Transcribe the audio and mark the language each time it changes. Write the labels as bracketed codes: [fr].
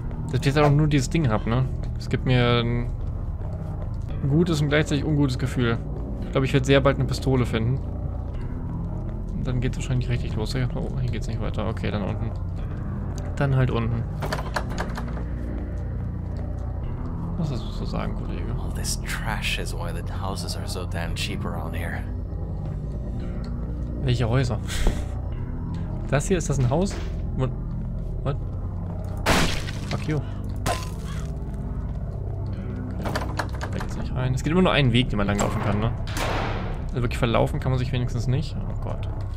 [de] Dass ich jetzt auch nur dieses Ding habe, ne? Es gibt mir ein gutes und gleichzeitig ungutes Gefühl. Ich glaube, ich werde sehr bald eine Pistole finden. Und dann geht es wahrscheinlich richtig los. Oh, hier geht es nicht weiter. Okay, dann unten. Dann halt unten. Was hast du zu sagen, Kollege? [en] All this trash is why the houses are so damn cheap around here. [de] Welche Häuser? Das hier, ist das ein Haus? [en] What? Fuck you. [de] Da geht's nicht rein. Es gibt immer nur einen Weg, den man langlaufen kann, ne? Also wirklich verlaufen kann man sich wenigstens nicht. Oh Gott.